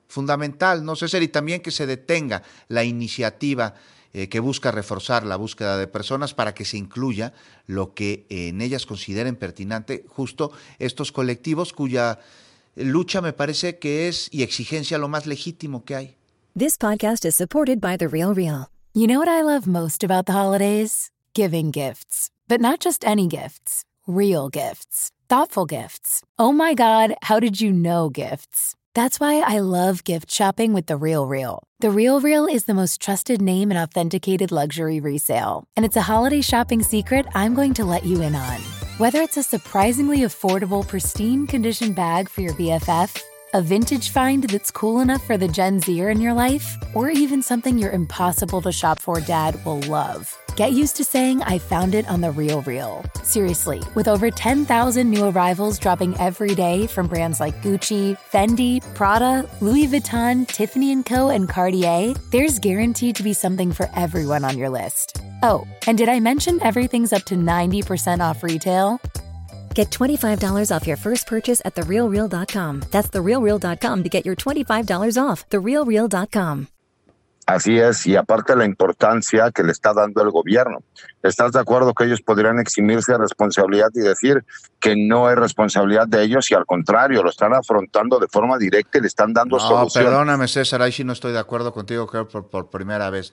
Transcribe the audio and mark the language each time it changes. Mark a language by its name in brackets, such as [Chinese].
[Spanish] Fundamental, no sé, y también que se detenga la iniciativa que busca reforzar la búsqueda de personas para que se incluya lo que en ellas consideren pertinente, justo estos colectivos cuya lucha me parece que es y exigencia lo más legítimo que hay. [English] This podcast is supported by The Real Real. You know what I love most about the holidays? Giving gifts. But not just any gifts. Real gifts. Thoughtful gifts. Oh my God, how did you know gifts? That's why I love gift shopping with The Real Real. The Real Real is the most trusted name in authenticated luxury resale. And it's a holiday shopping secret I'm going to let you in on. Whether it's a surprisingly affordable, pristine condition bag for your BFF, a vintage find that's cool enough for the Gen Zer in your life, or even something your impossible to shop for dad will love. Get used to saying, I found it on The Real Real. Seriously, with over 10,000 new arrivals dropping every day from brands like Gucci, Fendi, Prada, Louis Vuitton, Tiffany & Co., and Cartier, there's guaranteed to be something for everyone on your list. Oh, and did I mention everything's up to 90% off retail? Get $25 off your first purchase at TheRealReal.com. That's TheRealReal.com to get your $25 off. TheRealReal.com. [Spanish] Así es, y aparte la importancia que le está dando el gobierno. ¿Estás de acuerdo que ellos podrían eximirse de responsabilidad y decir que no es responsabilidad de ellos y al contrario, lo están afrontando de forma directa y le están dando solución? No, perdóname, César, ahí sí no estoy de acuerdo contigo, creo por primera vez.